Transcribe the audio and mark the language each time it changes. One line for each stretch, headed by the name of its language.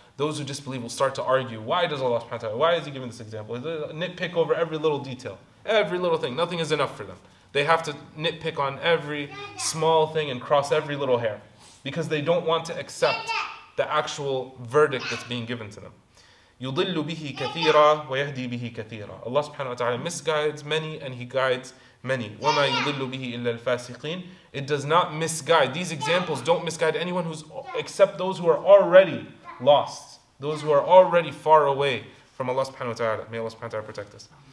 English: Those who disbelieve will start to argue, why does Allah subhanahu wa ta'ala, why is He giving this example? They nitpick over every little detail, every little thing. Nothing is enough for them. They have to nitpick on every small thing and cross every little hair because they don't want to accept the actual verdict that's being given to them.
Arabic: يُضِلُّ بِهِ كَثِيرًا وَيَهْدِي بِهِ كَثِيرًا.
English: Allah subhanahu wa ta'ala misguides many and He guides many.
Arabic: وَمَا يُضِلُّ بِهِ إِلَّا الْفَاسِقِينَ.
English: It does not misguide. These examples don't misguide anyone who's, except those who are already lost. Those who are already far away from Allah subhanahu wa ta'ala. May Allah subhanahu wa ta'ala protect us.